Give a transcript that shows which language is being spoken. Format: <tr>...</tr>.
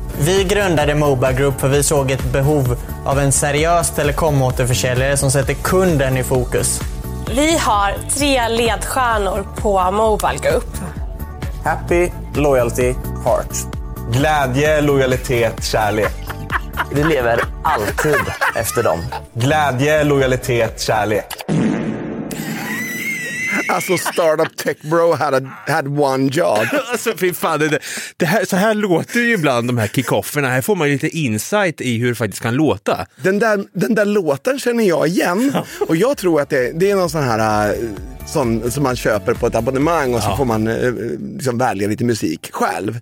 <sv>Vi grundade Mobile Group för vi såg ett behov av en seriös telekomåterförsäljare som sätter kunden i fokus. Vi har tre ledstjärnor på Mobile Group.</sv> <en>Happy, loyalty, heart.</en> <sv>Glädje, lojalitet, kärlek. Vi lever alltid efter dem. Glädje, lojalitet, kärlek.</sv> <en>Alltså startup tech bro had one job.</en> <sv>Alltså fy fan, så här låter ju ibland de här kickofferna. Här får man lite insight i hur det faktiskt kan låta. Den där låten känner jag igen. Och jag tror att det är någon sån här som man köper på ett abonnemang. Och så får man liksom välja lite musik själv.</sv>